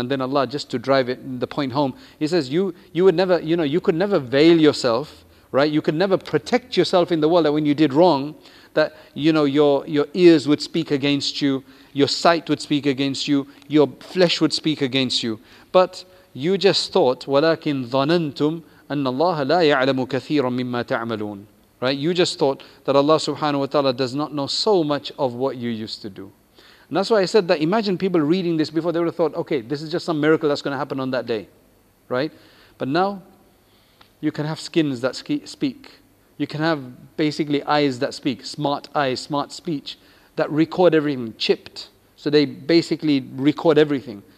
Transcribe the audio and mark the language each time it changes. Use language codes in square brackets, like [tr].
[en] And then Allah, just to drive it the point home, he says, you would never, you know, you could never veil yourself, right? You could never protect yourself in the world that when you did wrong, that, you know, your ears would speak against you, your sight would speak against you, your flesh would speak against you. But you just thought, [ar] وَلَكِنْ ظَنَنْتُمْ أَنَّ اللَّهَ لَا يَعْلَمُ كَثِيرًا مِّمَّا تَعْمَلُونَ. [en] Right? You just thought that Allah subhanahu wa ta'ala does not know so much of what you used to do. And that's why I said that, imagine people reading this before, they would have thought, okay, this is just some miracle that's going to happen on that day, right? But now, you can have skins that speak. You can have basically eyes that speak, smart eyes, smart speech, that record everything, chipped. So they basically record everything.